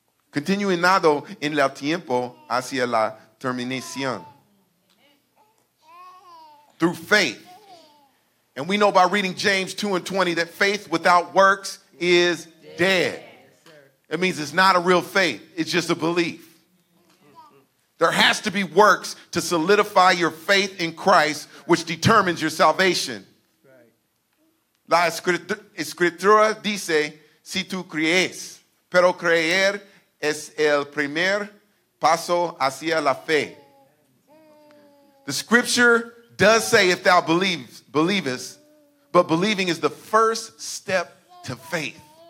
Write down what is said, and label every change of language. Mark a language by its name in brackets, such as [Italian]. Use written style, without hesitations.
[Spanish] Continuing nado en el tiempo hacia la terminación. [English] Through faith. And we know by reading James 2 and 20 that faith without works is dead. It means it's not a real faith. It's just a belief. There has to be works to solidify your faith in Christ, which determines your salvation. Right. [Spanish] La escritura dice, si tú crees, pero creer es el primer paso hacia la fe. [English] The scripture does say, if thou believest, but believing is the first step to faith.